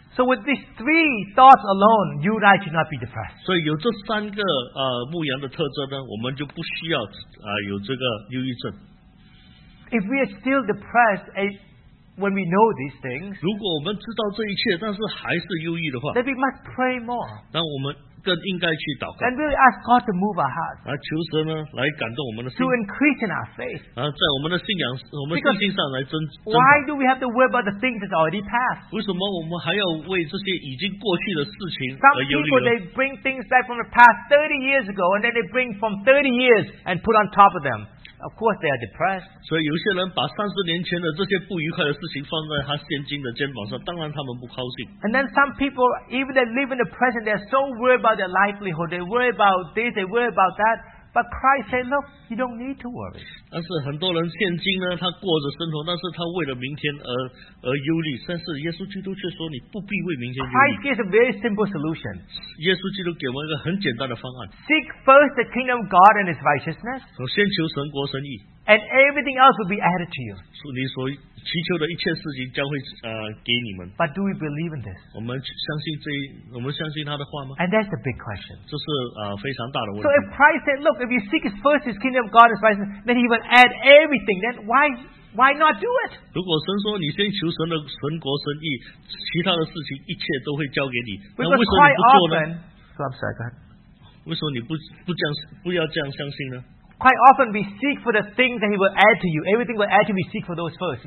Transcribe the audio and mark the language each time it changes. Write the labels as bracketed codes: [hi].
[en] So with these three thoughts alone, you and I should not be depressed. [zh] 所以有这三个牧羊的特征呢，我们就不需要有这个忧郁症。 [en] If we are still depressed, when we know these things, [zh] 如果我们知道这一切，但是还是忧郁的话, [en] then we must pray more. [zh] 那我们更应该去祷告, [en] and really ask God to move our hearts. [zh] 求神呢，来感动我们的心, [en] to increase in our faith. [zh] 在我们的信仰，我们信心上来增, [en] because why do we have to worry about the things that's already passed? [zh] 为什么我们还要为这些已经过去的事情而忧虑呢? [en] Some people, they bring things back from the past 30 years ago, and then they bring from 30 years and put on top of them. Of course, they are depressed. [zh] 所以有些人把30年前的这些不愉快的事情放在他现今的肩膀上，当然他们不高兴。 [en] And then some people, even they live in the present, they're so worried about their livelihood, they worry about this, they worry about that. But Christ said, look, you don't need to worry. [zh] 但是很多人现今呢, 他过着生活, 但是他为了明天而忧虑, 但是耶稣基督却说, 你不必为明天忧虑。 [en] Christ gives a very simple solution. [zh] 耶稣基督给我们一个很简单的方案。 [en] Seek first the kingdom of God and His righteousness. [zh] 首先求神国神义。 [en] And everything else will be added to you. [zh] 你所祈求的一切事情将会, 给你们。 [en] But do we believe in this? [zh] 我们相信他的话吗? [en] And that's the big question. [zh] 这是, 非常大的问题。 [en] So if Christ said, look, if you seek first His kingdom of God, His righteousness, then He will add everything. Then why not do it? [zh] 如果神说你先求神的神国神义, 其他的事情一切都会交给你, [en] because [zh] 那为什么你不做呢? [en] Often, so I'm sorry, [zh] 为什么你不要这样相信呢? [en] Quite often we seek for the things that He will add to you. Everything will add to you, we seek for those first.